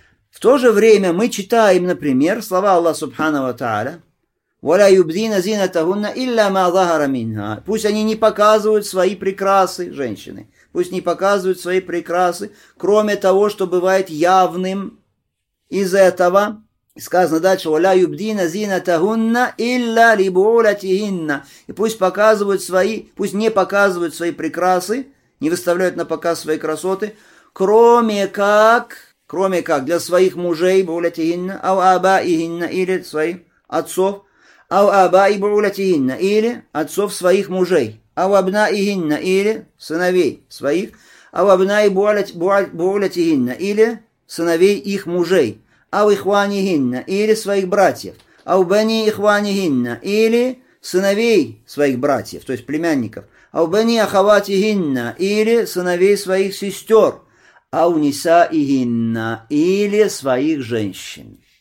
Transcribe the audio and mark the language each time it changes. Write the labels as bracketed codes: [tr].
[ru] В то же время мы читаем, например, слова Аллаха Субхана ва Тааля. [ar] وَلَا يُبْدِينَ زِينَتَهُنَّ إِلَّا مَا ظَهَرَ مِنْهَا. [ru] Пусть они не показывают свои прекрасы, женщины. Пусть не показывают свои прекрасы, кроме того, что бывает явным из этого. Сказано дальше, [ar] وَلَا يُبْدِينَ زِينَتَهُنَّ إِلَّا لِبُعُولَتِهِنَّ. [ru] И пусть показывают свои, пусть не показывают свои прекрасы, не выставляют на показ свои красоты, кроме как для своих мужей, [ar] بُعُولَتِهِنَّ, أَوْ أَبَائِهِنَّ, [ru] или своих отцов, или отцов своих мужей, или сыновей своих, или сыновей их мужей, или своих братьев, или сыновей своих братьев, то есть племянников, или сыновей своих сестер, или своих женщин.